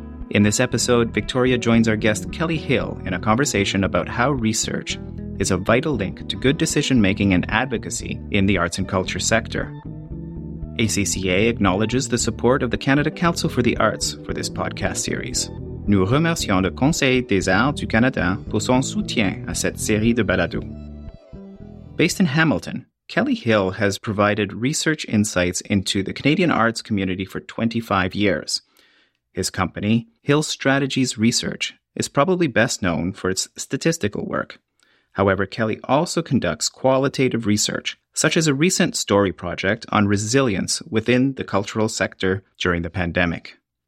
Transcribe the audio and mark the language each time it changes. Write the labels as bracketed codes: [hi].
[en] In this episode, Victoria joins our guest Kelly Hill in a conversation about how research is a vital link to good decision-making and advocacy in the arts and culture sector. ACCA acknowledges the support of the Canada Council for the Arts for this podcast series. [fr] Nous remercions le Conseil des Arts du Canada pour son soutien à cette série de balados. [en] Based in Hamilton, Kelly Hill has provided research insights into the Canadian arts community for 25 years. His company, Hill Strategies Research, is probably best known for its statistical work. However, Kelly also conducts qualitative research, such as a recent story project on resilience within the cultural sector during the pandemic.